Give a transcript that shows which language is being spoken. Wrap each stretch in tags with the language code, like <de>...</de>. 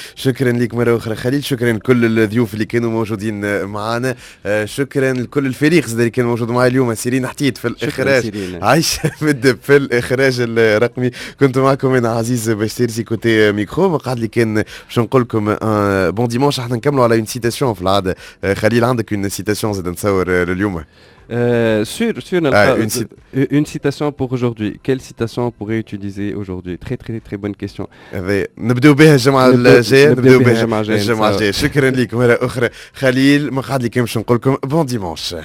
<ar>شكرا لك مره اخرى خليل، شكرا لكل الضيوف اللي كانوا موجودين معنا، شكرا لكل الفريق اللي كان موجود معي اليوم، سيرين حتيت في الاخراج، عايشه مدب في الاخراج الرقمي، كنت معكم انا عزيز بشيرزي كوتي ميكرو. قعد لي كان باش نقول لكم</ar> <fr>بون ديمونش.</fr> <ar>احنا نكملوا على اون سيتاسيون في العاده. خليل عندك</ar> <fr>اون سيتاسيون</fr> <ar>زاد نصور لليوم؟</ar> <fr>Sur une citation pour aujourd'hui. Quelle citation on pourrait utiliser aujourd'hui? Très très très bonne question.</fr> <ar>نبدأ بها الجمعة الجاية. نبدأ بها الجمعة الجاية. شكرا لكم مرة أخرى خليل، ما قعد لي كم شو نقولكم.</ar> <fr>Bon dimanche.</fr>